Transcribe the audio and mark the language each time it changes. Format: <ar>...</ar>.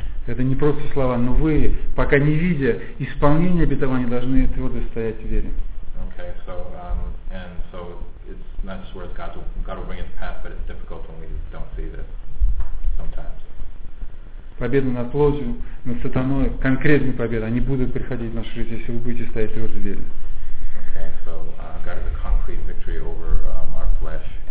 <ru>Это не просто слова, но вы, пока не видя исполнения обетования, должны твердо стоять в вере.</ru> <en>Okay, so and so it's not just words, God will bring it to pass, but it's difficult when we don't see this sometimes.</en> <ru>Победа над плотью, над сатаной, конкретные победы, они будут приходить в нашу жизнь, если вы будете стоять твердо в вере.</ru> <en>Okay, so God has a concrete victory over our flesh.</en>